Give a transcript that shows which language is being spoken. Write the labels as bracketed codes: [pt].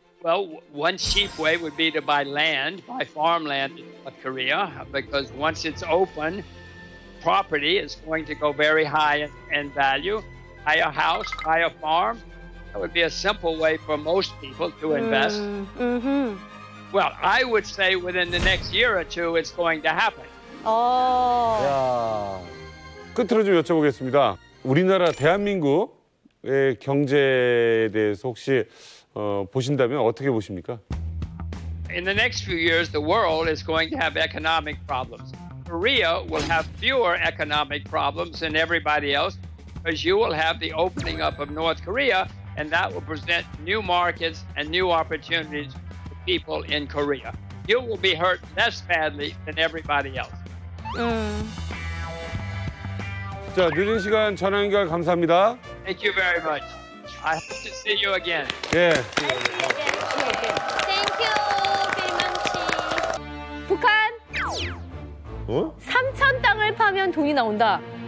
[en] Well, one cheap way would be to buy land, buy farmland in Korea, because once it's open, property is going to go very high in value. Buy a house, buy a farm. That would be a simple way for most people to invest. Mm-hmm. Well, I would say within the next year or two, it's going to happen. Oh. Yeah. [ko] 끝으로 좀 여쭤보겠습니다. 우리나라 대한민국의 경제에 대해서 혹시 보신다면 어떻게 보십니까? [en] In the next few years, the world is going to have economic problems. Korea will have fewer economic problems than everybody else because you will have the opening up of North Korea, and that will present new markets and new opportunities to people in Korea. You will be hurt less badly than everybody else. Mm. [ko] 자, 늦은 시간 전화 연결 감사합니다. [en] Thank you very much. I hope to see you again. [ko] 예. [en] Thank you, 김영치. [ko] 북한. 3천 땅을 파면 돈이 나온다.